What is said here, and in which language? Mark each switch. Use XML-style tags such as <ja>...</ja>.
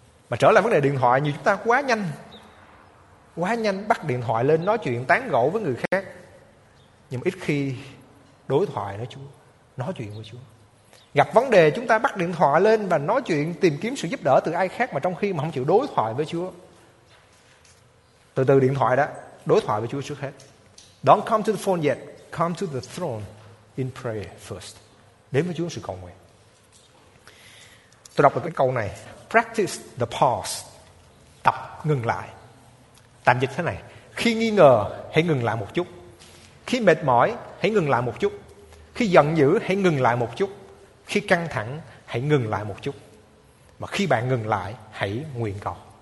<vi>Mà trở lại vấn đề điện thoại, nhiều chúng ta quá nhanh bắt điện thoại lên nói chuyện tán gẫu với người khác, nhưng mà ít khi đối thoại với Chúa, nói chuyện với Chúa. Gặp vấn đề chúng ta bắt điện thoại lên và nói chuyện, tìm kiếm sự giúp đỡ từ ai khác, mà trong khi mà không chịu đối thoại với Chúa. Từ từ điện thoại đó, đối thoại với Chúa trước hết.</vi> <en>Don't come to the phone yet, come to the throne in prayer first.</en> <vi>Đến với Chúa sự cầu nguyện. Tôi đọc được cái câu này:</vi> <en>practice the pause,</en> <vi>tập ngừng lại. Tạm dịch thế này: khi nghi ngờ hãy ngừng lại một chút, khi mệt mỏi hãy ngừng lại một chút, khi giận dữ hãy ngừng lại một chút, khi căng thẳng hãy ngừng lại một chút, mà khi bạn ngừng lại hãy nguyện cầu.</vi>